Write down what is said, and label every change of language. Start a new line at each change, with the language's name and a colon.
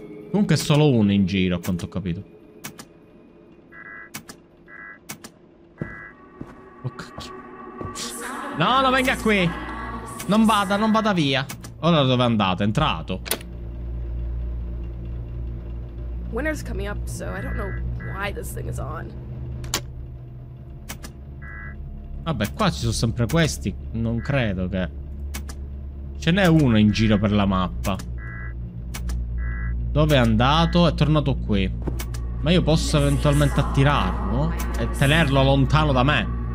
Italian: Comunque è solo uno in giro, a quanto ho capito. Oh, cacchio. No, no, venga qui. Non vada, non vada via. Ora dove è andato? È entrato.
English: Winter's coming up, so I don't know why this thing is on.
Italian: Vabbè, qua ci sono sempre questi. Non credo che... Ce n'è uno in giro per la mappa. Dove è andato? È tornato qui. Ma io posso eventualmente attirarlo e tenerlo lontano da me.